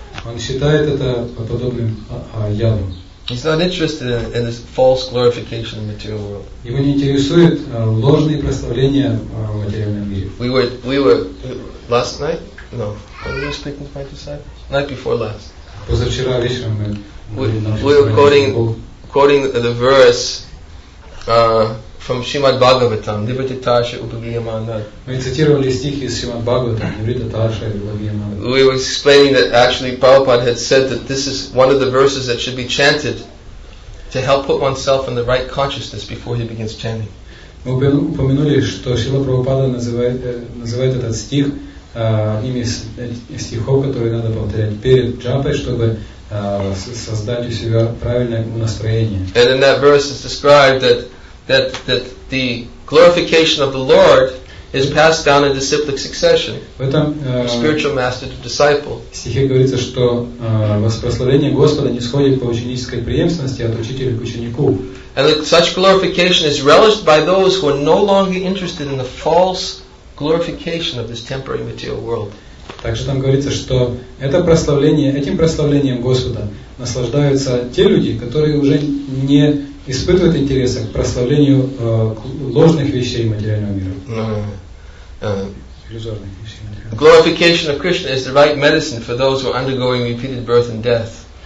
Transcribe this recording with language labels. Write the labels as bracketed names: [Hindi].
[Russian] Он считает это подобным яду. [English] He's not interested in this false glorification of the material world. [Russian] Его не интересует ложные прославления в материальном мире. [English] We were last night? No. Were we speaking to my disciples? Night before last. [Russian] Позавчера вечером мы [English] were quoting the verse from Srimad Bhagavatam, Nivritta-tasha upagriyamana. [Russian] Мы цитировали стихи из Srimad Bhagavatam, Nivritta-tasha upagriyamana. [English] We were explaining that actually Prabhupada had said that this is one of the verses that should be chanted to help put oneself in the right consciousness before he begins chanting. [Russian] Мы упомянули, что Шрила Прабхупада называет этот стих одним из стихов, которые надо повторять перед джапой, чтобы создать у себя правильное настроение. [English] And in that verse is described that the glorification of the Lord is passed down in disciplic succession. [Russian] В этом [English] spiritual master to disciple. [Russian] В стихе говорится, что воспрославление Господа нисходит по ученической преемственности от учителя к ученику. [English] And such glorification is relished by those who are no longer interested in the false glorification of this temporary material world. [Russian] Также там говорится, что это прославление, этим прославлением Господа наслаждаются те люди, которые уже не испытывают интереса к прославлению ложных вещей материального мира. Иллюзорных вещей материального. [English] Glorification of Krishna is the right medicine for those who are undergoing repeated birth and death.